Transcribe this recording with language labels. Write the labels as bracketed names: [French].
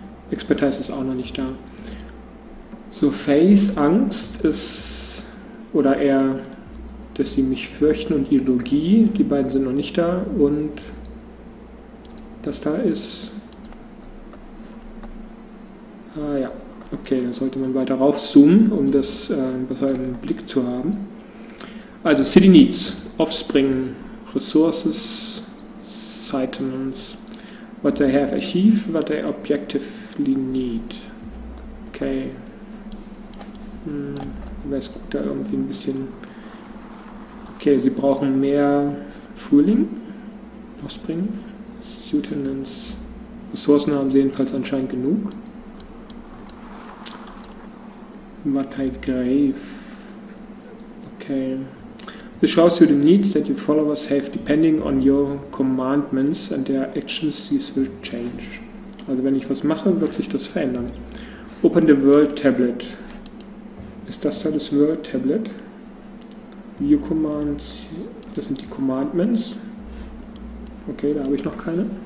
[German] Expertise ist auch noch nicht da. So, Face, Angst ist, oder eher, dass sie mich fürchten und Ideologie, die beiden sind noch nicht da. Und das da ist, ja, okay, dann sollte man weiter raufzoomen, um das besser im Blick zu haben. [English] Also City Needs, Offspring, Resources, Sightings, what they have achieved, what they objectively need. [German] Okay. Wäre es gut, da irgendwie ein bisschen. Okay, sie brauchen mehr Frühling, Offspring, Sutenance. Ressourcen haben sie jedenfalls anscheinend genug. [English] Matai Grave. Okay. This shows you the needs that your followers have depending on your commandments and their actions, these will change. [German] Also, wenn ich was mache, wird sich das verändern. [English] Open the World Tablet. [German] Ist das da das World Tablet? View Commands, das sind die Commandments. Okay, da habe ich noch keine.